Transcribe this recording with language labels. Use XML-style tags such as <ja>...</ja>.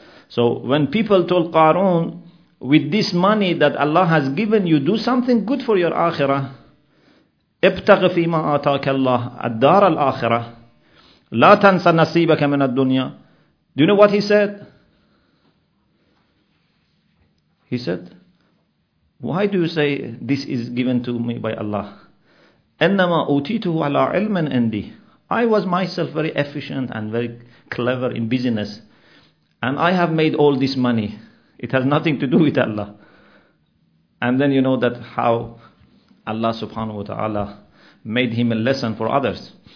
<en>So when people told Qarun, with this money that Allah has given you, do something good for your akhirah.</en> <ar>ابتغ فيما آتاك الله الدار الآخرة. لا تنسى نصيبك من الدنيا.</ar> <en>Do you know what he said? He said, why do you say this is given to me by Allah?</en> <ar>إنما أوتيته على علم عندي.</ar> <en>I was myself very efficient and very clever in business. And I have made all this money. It has nothing to do with Allah. And then you know that how Allah subhanahu wa ta'ala made him a lesson for others.</en>